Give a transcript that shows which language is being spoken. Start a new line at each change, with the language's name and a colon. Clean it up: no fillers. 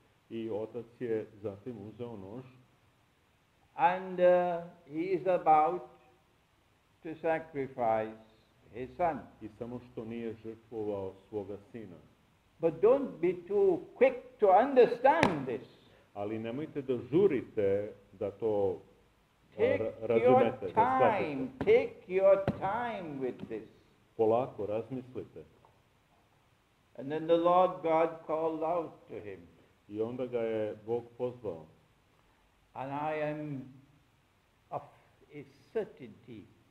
Serbian: I otac je zatim uzeo nož.
English: And he is about to sacrifice his son.
Serbian: I samo što nije žrtvovao svoga sina.
English: But don't be too quick to understand this.
Serbian: Ali nemojte da žurite da to razumete.
English: Take your time with this.
Serbian: Polako, razmislite.
English: And then the Lord God called out to him.
Serbian: I onda ga je Bog pozvao.
English: And I am of a certainty.